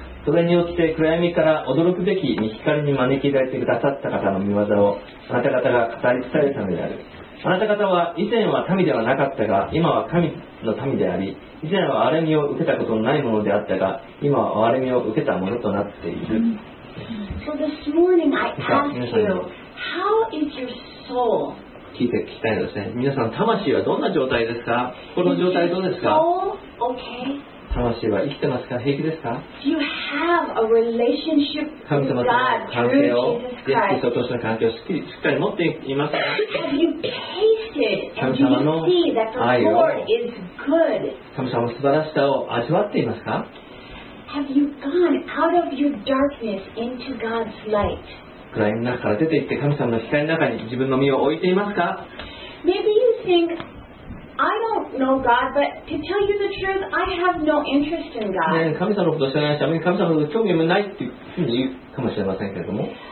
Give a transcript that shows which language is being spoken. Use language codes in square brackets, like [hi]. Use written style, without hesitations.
[ja] それによって暗闇から驚くべきに光に招き出してくださった方の御業をあなた方が語り伝えるためである。あなた方は以前は民ではなかったが、今は神の民であり、以前は憐れみを受けたことのないものであったが、今は憐れみを受けたものとなっている。 [en] So this morning I ask you, how is your soul? [ja] 聞きたいですね。皆さん、魂はどんな状態ですか？この状態どうですか？ [en] Soul? Okay. [ja] 魂は生きてますか？平気ですか？ [en] You have a relationship with God through Jesus Christ. [ja] 神様との関係をしっかり持っていますか？ [en] Have you tasted and do you see that the Lord is good? [ja] 神様の素晴らしさを味わっていますか？ [en] Have you gone out of your darkness into God's light? [ja] 暗闇の中から出て行って神様の光の中に自分の身を置いていますか？ [en] Maybe you thinkI don't know God, but to tell you the truth, I have no interest in God. [ja] 神様のこと知らないし、神様のこと興味もないっていうふうに言うかもしれませんけれども。